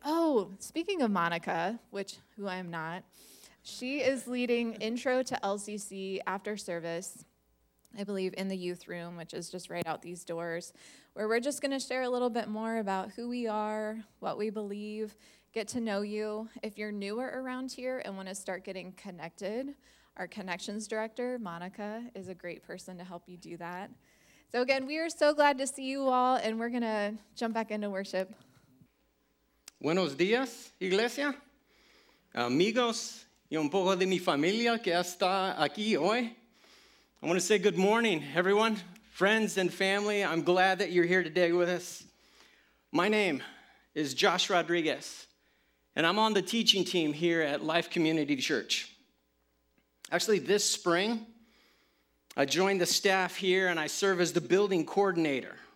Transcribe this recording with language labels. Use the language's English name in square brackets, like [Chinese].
[English] Oh, speaking of Monica, who I am not, she is leading Intro to LCC after service, I believe, in the youth room, which is just right out these doors, where we're just going to share a little bit more about who we are, what we believe, get to know you. If you're newer around here and want to start getting connected, our Connections Director, Monica, is a great person to help you do that. So again, we are so glad to see you all, and we're going to jump back into worship. [Spanish] Buenos dias, iglesia. Amigos, y un poco de mi familia que está aquí hoy. [English] I want to say good morning, everyone, friends and family. I'm glad that you're here today with us. My name is Josh Rodriguez, and I'm on the teaching team here at Life Community Church. Actually, this spring, I joined the staff here, and I serve as the building coordinator.